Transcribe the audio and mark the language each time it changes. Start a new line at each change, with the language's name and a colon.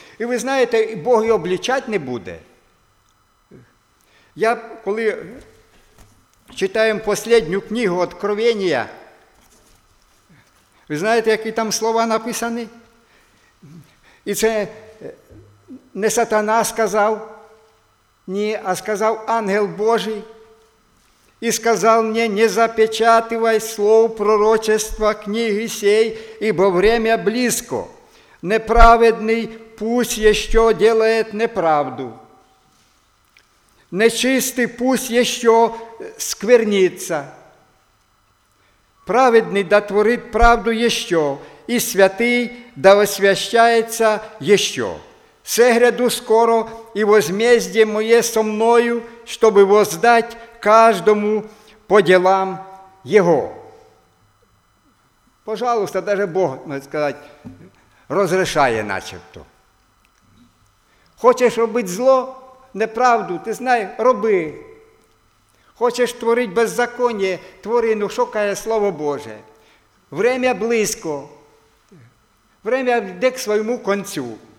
Ukrainian: І ви знаєте, Бог і облічати не буде. Я, коли читаємо останню книгу «Откровення», ви знаєте, які там слова написані? І це не сатана сказав, ні, а сказав ангел Божий.
Russian: И сказал мне, не запечатывай слов пророчества книги сей, ибо время близко. Неправедный пусть еще делает неправду. Нечистый пусть еще сквернится. Праведный да творит правду еще, и святый да освящается еще. Все гряду скоро, и возмездие мое со мною, чтобы воздать каждому по делам его». Пожалуйста, даже Бог, можно сказать,
Ukrainian: разрешає начебто. Хочеш робити зло, неправду, ти знай, роби. Хочеш творити беззаконня, твори, ну що каже Слово Боже? Время близько, время йде к своєму концю.